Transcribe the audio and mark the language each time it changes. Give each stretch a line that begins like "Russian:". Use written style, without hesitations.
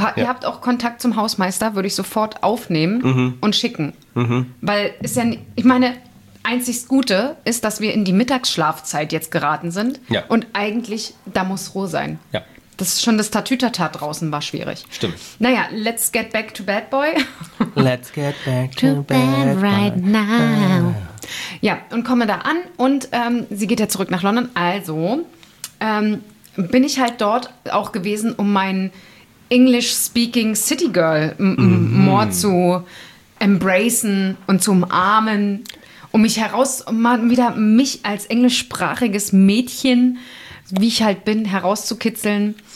German: Ihr habt auch Kontakt zum Hausmeister, würde ich sofort aufnehmen und schicken. Mhm. Weil ist ja, ich meine, einzig Gute ist, dass wir in die Mittagsschlafzeit jetzt geraten sind. Ja. Und eigentlich, da muss Ruhe sein. Ja. Das ist schon das Tatütata draußen war schwierig. Stimmt.
English: Naja, let's get back to bad boy. Let's get back to bad right boy. Now.
German: Ja, und komme da an und sie geht ja zurück nach London. Also bin ich halt dort auch gewesen, um mein English-Speaking-City-Girl-More zu embracen und zu umarmen, um mich heraus, mich als englischsprachiges Mädchen, wie ich halt bin, herauszukitzeln.